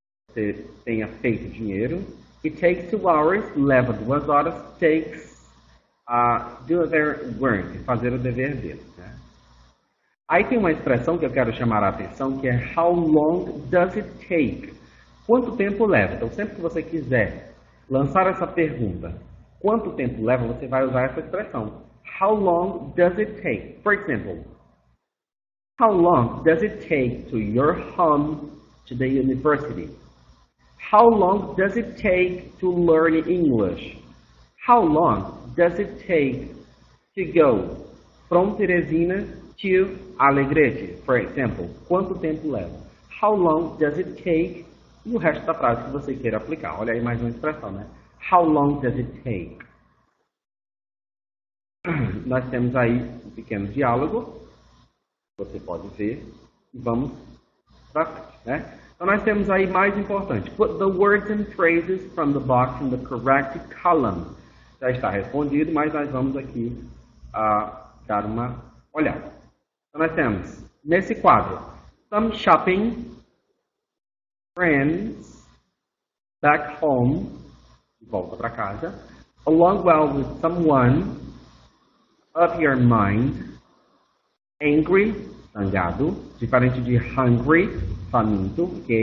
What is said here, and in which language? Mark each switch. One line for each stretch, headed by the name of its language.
Portuguese: você tenha feito dinheiro.
English: It takes 2 hours,
Portuguese: leva 2 horas,
English: takes do their work,
Portuguese: fazer o dever dele. Né? Aí tem uma expressão que eu quero chamar a atenção, que é
English: how long does it take?
Portuguese: Quanto tempo leva? Então, sempre que você quiser lançar essa pergunta, quanto tempo leva, você vai usar essa expressão.
English: How long does it take? For example, how long does it take to your home to the university? How long does it take to learn English? How long does it take to go from Teresina to Alegrete? For example,
Portuguese: quanto tempo leva?
English: How long does it take?
Portuguese: E o resto da frase que você queira aplicar. Olha aí mais uma expressão, né?
English: How long does it take?
Portuguese: Nós temos aí um pequeno diálogo. Você pode ver. E vamos para frente, né? Então, nós temos aí mais importante.
English: Put the words and phrases from the box in the correct column.
Portuguese: Já está respondido, mas nós vamos aqui dar uma olhada. Então, nós temos nesse quadro.
English: Some shopping, friends, back home,
Portuguese: volta para casa,
English: along well with someone, of your mind, angry, zangado, diferente de hungry, faminto, ok?